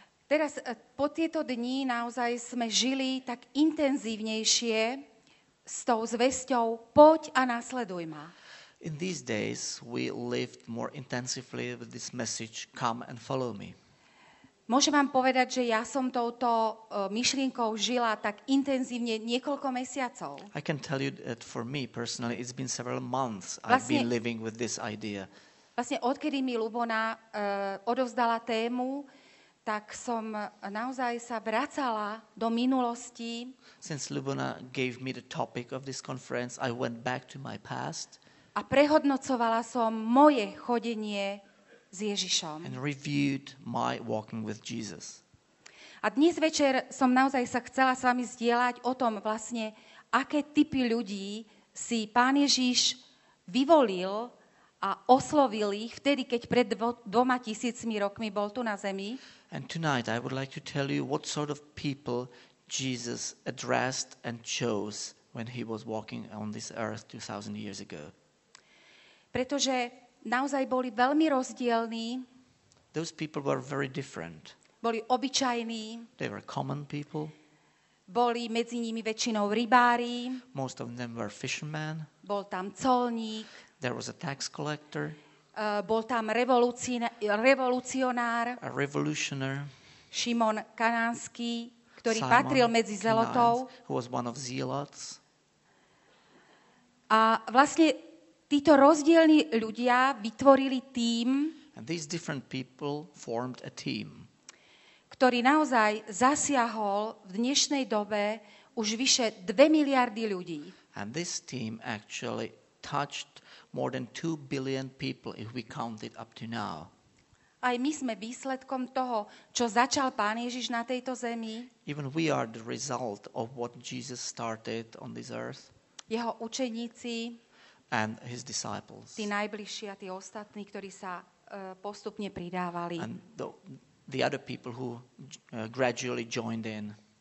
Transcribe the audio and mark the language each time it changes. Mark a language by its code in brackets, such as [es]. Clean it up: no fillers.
[sk] Teraz po tieto dni naozaj sme žili tak intenzívnejšie s tou zvesťou poď a nasleduj ma. [en] In these days we lived more intensively with this message come and follow me. [sk] Môžem vám povedať, že ja som touto myšlienkou žila tak intenzívne niekoľko mesiacov. [en] I can tell you that for me personally it's been several months I've been living with this idea. [sk] Vlastne odkedy mi Ľubona odovzdala tému, tak som naozaj sa vracala do minulosti. [en] Since Ľubona gave me the topic of this conference, I went back to my past. [sk] A prehodnocovala som moje chodenie s Ježišom. [en] And reviewed my walking with Jesus. [sk] A dnes večer som naozaj sa chcela s vami zdieľať o tom vlastne, aké typy ľudí si Pán Ježiš vyvolil a oslovil ich vtedy, keď pred 2000 rokmi bol tu na zemi. [en] And tonight I would like to tell you what sort of people Jesus addressed and chose when he was walking on this earth 2000 years ago. [sk] Pretože naozaj boli veľmi rozdielní. [en] Those people were very different. [sk] Boli obyčajní. [en] They were common people. [sk] Boli medzi nimi väčšinou rybári. [en] Most of them were fishermen. [sk] Bol tam colník. [en] There was a tax collector. [sk] Bol tam revolucionár. [en] A revolutionary. [sk] Šimon Kanánsky, ktorý Simon patril medzi zelotov. [en] Who was one of zealots. [sk] A vlastne títo rozdielni ľudia vytvorili tím, [en] and these different people formed a team, [sk] ktorý naozaj zasiahol v dnešnej dobe už vyše 2 miliardy ľudí. [en] And this team actually touched more than 2 billion people if we count it up to now. [sk] Aj my sme výsledkom toho, čo začal Pán Ježiš na tejto zemi. [en] Even we are the result of what Jesus started on this earth. [sk] Jeho učeníci [en] and his disciples. [sk] Tí najbližší a tí ostatní, ktorí sa postupne pridávali. [en] And the other people who gradually joined in.